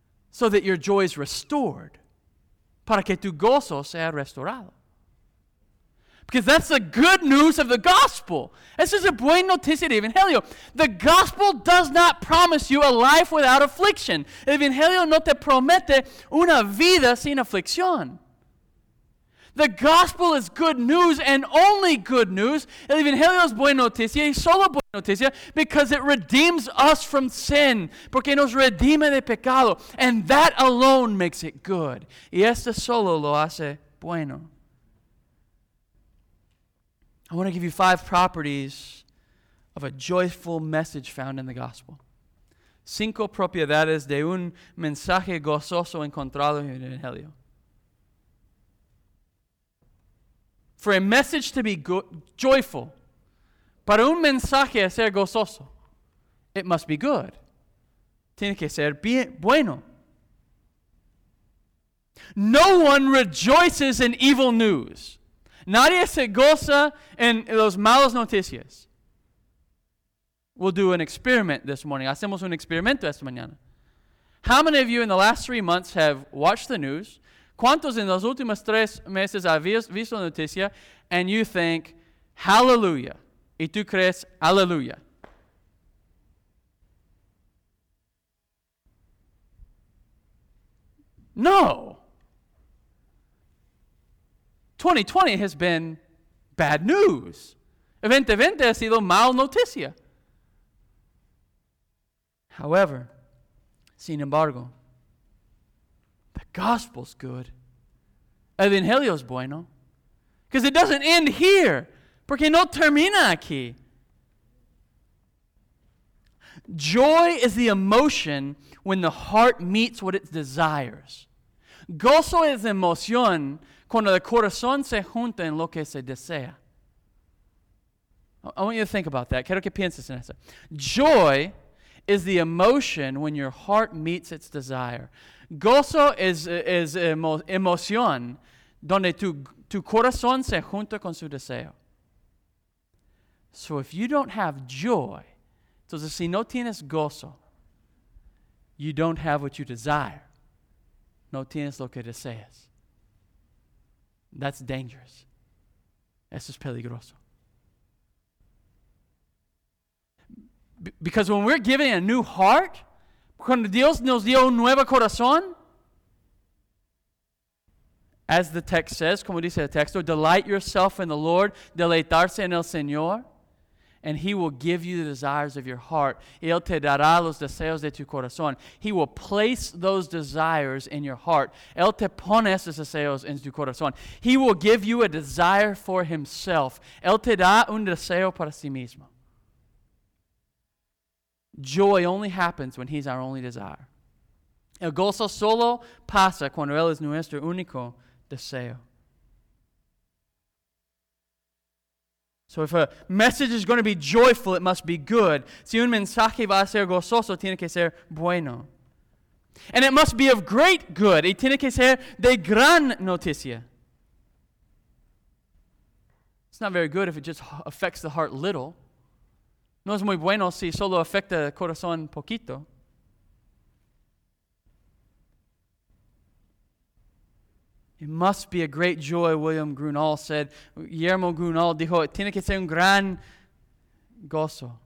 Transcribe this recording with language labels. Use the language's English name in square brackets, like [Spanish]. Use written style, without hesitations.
[English] So that your joy is restored. [Spanish] Para que tu gozo sea restaurado. [English] Because that's the good news of the gospel. This is a [Spanish] buena noticia de Evangelio. [English] The gospel does not promise you a life without affliction. [Spanish] El Evangelio no te promete una vida sin aflicción. [English] The gospel is good news and only good news. [Spanish] El Evangelio es buena noticia y solo buena noticia [English] because it redeems us from sin. [Spanish] Porque nos redime de pecado. [English] And that alone makes it good. [Spanish] Y esto solo lo hace bueno. [English] I want to give you five properties of a joyful message found in the gospel. [Spanish] Cinco propiedades de un mensaje gozoso encontrado en el Evangelio. [English] For a message to be joyful, [Spanish] para un mensaje ser gozoso, [English] it must be good. [Spanish] Tiene que ser bueno. [English] No one rejoices in evil news. [Spanish] Nadie se goza en las malas noticias. [English] We'll do an experiment this morning. [Spanish] Hacemos un experimento esta mañana. [English] How many of you in the last 3 months have watched the news? [Spanish] ¿Cuántos en los últimos tres meses has visto la noticia? [English] And you think, hallelujah. [Spanish] Y tú crees, hallelujah. [English] No. 2020 has been bad news. [Spanish] 2020 ha sido mal noticia. [English] However, [Spanish] sin embargo, [English] the gospel's good. [Spanish] Evangelio es bueno. [English] Because it doesn't end here. [Spanish] Porque no termina aquí. [English] Joy is the emotion when the heart meets what it desires. [Spanish] Gozo es emoción cuando el corazón se junta en lo que se desea. [English] I want you to think about that. [Spanish] Quiero que pienses en eso. [English] Joy is the emotion when your heart meets its desire. [Spanish] Gozo es emoción donde tu corazón se junta con su deseo. [English] So if you don't have joy, [Spanish] entonces si no tienes gozo, [English] you don't have what you desire. [Spanish] No tienes lo que deseas. [English] That's dangerous. [Spanish] Eso es peligroso. [English] Because when we're given a new heart, [Spanish] cuando Dios nos dio un nuevo corazón, [English] as the text says, [Spanish] como dice el texto, [English] delight yourself in the Lord, [Spanish] deleitarse en el Señor, [English] and He will give you the desires of your heart. [Spanish] Y Él te dará los deseos de tu corazón. [English] He will place those desires in your heart. [Spanish] Él te pone esos deseos en tu corazón. [English] He will give you a desire for Himself. [Spanish] Él te da un deseo para sí mismo. [English] Joy only happens when He's our only desire. [Spanish] El gozo solo pasa cuando Él es nuestro único deseo. [English] So if a message is going to be joyful, it must be good. [Spanish] Si un mensaje va a ser gozoso, tiene que ser bueno. [English] And it must be of great good. [Spanish] Y tiene que ser de gran noticia. [English] It's not very good if it just affects the heart little. [Spanish] No es muy bueno si solo afecta el corazón poquito. [English] It must be a great joy, William Grunall said. [Spanish] Guillermo Grunall dijo, tiene que ser un gran gozo.